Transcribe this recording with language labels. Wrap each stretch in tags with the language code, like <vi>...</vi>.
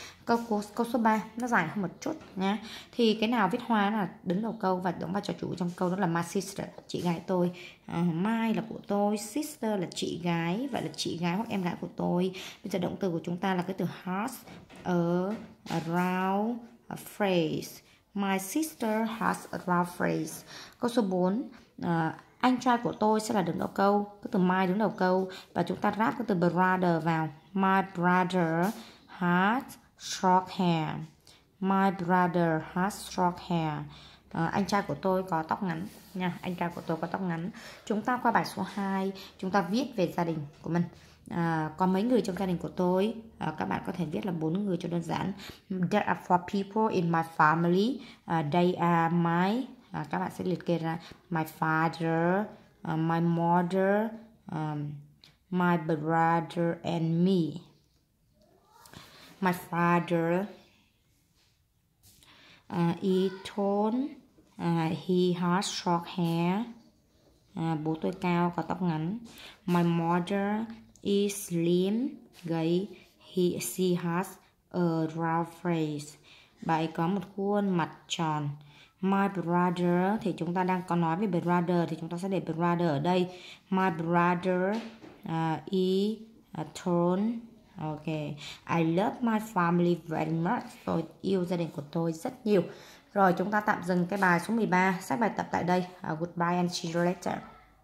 <vi>Câu số 3, nó dài hơn một chút nhé. Thì cái nào viết hoa là đứng đầu câu và đóng vai trò chủ trong câu, đó là my sister, chị gái tôi. My là của tôi, sister là chị gái, vậy là chị gái hoặc em gái của tôi. Bây giờ động từ của chúng ta là cái từ has, a round phrase.</vi> <en>My sister has a round phrase.</en> <vi>Câu số 4, anh trai của tôi sẽ là đứng đầu câu, cái từ my đứng đầu câu, và chúng ta ráp cái từ brother vào.</vi> <en>My brother has short hair. My brother has short hair.</en> <vi>Anh trai của tôi có tóc ngắn nha. Anh trai của tôi có tóc ngắn. Chúng ta qua bài số 2, chúng ta viết về gia đình của mình. Có mấy người trong gia đình của tôi? Các bạn có thể viết là 4 người cho đơn giản.</vi> <en>There are 4 people in my family. They are my,</en> <vi>các bạn sẽ liệt kê ra,</vi> <en>my father, my mother, my brother and me. My father is tall. He has short hair.</en> <vi>Bố tôi cao, có tóc ngắn.</vi> <en>My mother is slim,</en> <vi>gầy.</vi> <en>She has a round face.</en> <vi>Bà ấy có một khuôn mặt tròn.</vi> <en>My brother</en> <vi>thì chúng ta đang có nói về brother thì chúng ta sẽ để brother ở đây.</vi> <en>My brother is tall. Okay. I love my family very much.</en> <vi>Tôi yêu gia đình của tôi rất nhiều. Rồi chúng ta tạm dừng cái bài số 13, xác bài tập tại đây.</vi> <en>Goodbye and see you later.</en>